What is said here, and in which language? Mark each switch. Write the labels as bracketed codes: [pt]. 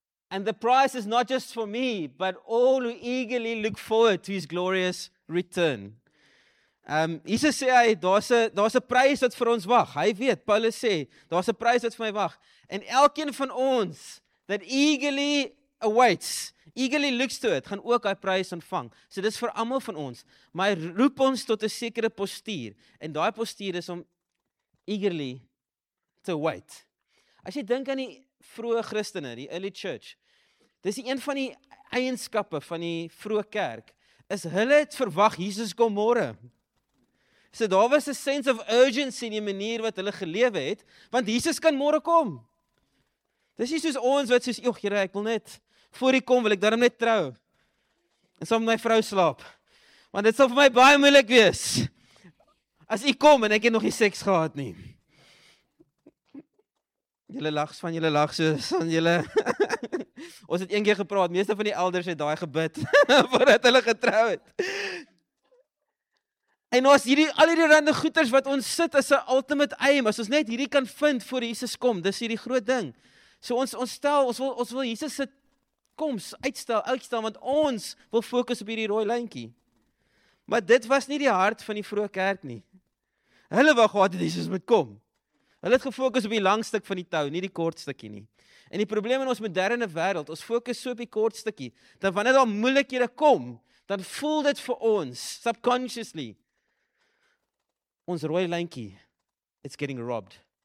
[en] And the prize is not just for me, but all who eagerly look forward to his glorious return. [af] Jesus sê hy, daar's 'n prys wat vir ons wag. Hy weet, Paulus sê, daar's 'n prys wat vir my wag. En elkeen van ons that eagerly awaits, eagerly looks to it, gaan ook hy prys ontvang. So dis vir almal van ons. Maar hy roep ons tot 'n sekere postuur. En daai postuur is om eagerly to wait. As jy dink aan die vroeë Christene, die early church, dis een van die eienskappe van die vroeë kerk, is hulle het verwag Jesus kom môre. So daar was 'n sense of urgency in die manier wat hulle gelewe het, want Jesus kan môre kom. Dis nie soos ons wat soos, "Och Here, ek wil net voor die kom wil ek daarom net trou. En saam met my vrou slaap. Want dit sal vir my baie moeilik wees. As u kom en ek het nog nie seks gehad nie." Julle lag. Ons het een keer gepraat. Meeste van die elders het daai gebid voordat hulle getrou het. En ons hierdie al hierdie rande goeters wat ons sit as 'n ultimate aim, as ons net hierdie kan vind voor Jesus kom, dis hierdie groot ding. So ons wil Jesus sit koms uitstel, want ons wil fokus op hierdie rooi lyntjie. Maar dit was nie die hart van die vroeë kerk nie. Hulle wou gehad het Jesus moet kom. Hulle het gefokus op die lang stuk van die tou, nie die kort stukkie nie. En die probleem in ons moderne wêreld, ons fokus so op die kort stukkie, dat wanneer daar moeilikhede kom, dan voel dit vir ons subconsciously ons rooi lyntjie it's getting robbed.